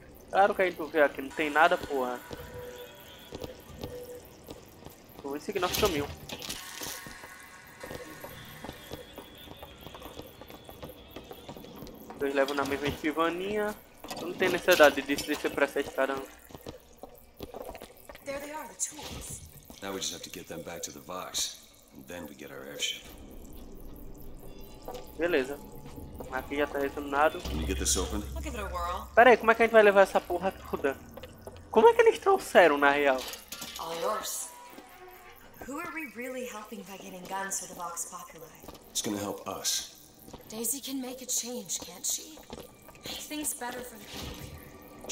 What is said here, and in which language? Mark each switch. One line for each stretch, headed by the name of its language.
Portuguese: Claro que a gente vê aqui, não tem nada, porra. Vamos seguir nosso caminho. Dois levam na mesma escrivaninha. Não tem necessidade de descer pra essa escada, não.
English: There they are, the tools. Now we just have to get them back to the box. And then we get our airship.
Portuguese: Beleza. Aqui já tá retornado.
English: Can you get this open?
Portuguese: Pera aí, como é que a gente vai levar essa porra toda? Como é que eles trouxeram, na real?
English: All yours. Who are we really helping by getting guns for the Vox Populi? It's gonna help us. Daisy can make a change, can't she? Make things better for the people here.